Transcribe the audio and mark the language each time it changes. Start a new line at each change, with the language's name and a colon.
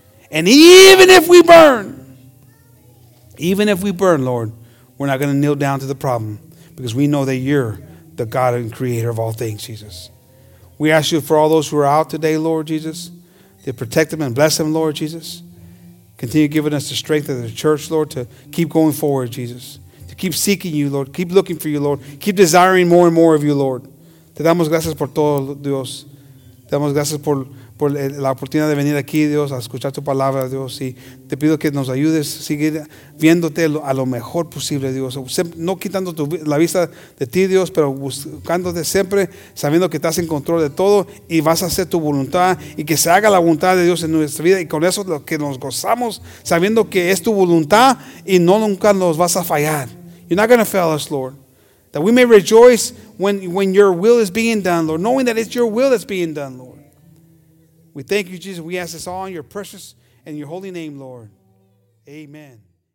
English: And even if we burn, Lord, we're not going to kneel down to the problem because we know that you're the God and creator of all things, Jesus. We ask you for all those who are out today, Lord Jesus, to protect them and bless them, Lord Jesus. Continue giving us the strength of the church, Lord, to keep going forward, Jesus. To keep seeking you, Lord. Keep looking for you, Lord. Keep desiring more and more of you, Lord.
Spanish: Te damos gracias por todo, Dios. Te damos gracias por la oportunidad de venir aquí, Dios, a escuchar tu palabra, Dios. Y te pido que nos ayudes a seguir viéndote a lo mejor posible, Dios. No quitando la vista de ti, Dios, pero buscándote siempre, sabiendo que estás en control de todo y vas a hacer tu voluntad y que se haga la voluntad de Dios en nuestra vida. Y con eso lo que nos gozamos, sabiendo que es tu voluntad y no nunca nos vas a fallar.
English: You're not going to fail us, Lord. That we may rejoice when your will is being done, Lord, knowing that it's your will that's being done, Lord. We thank you, Jesus. We ask this all in your precious and your holy name, Lord. Amen.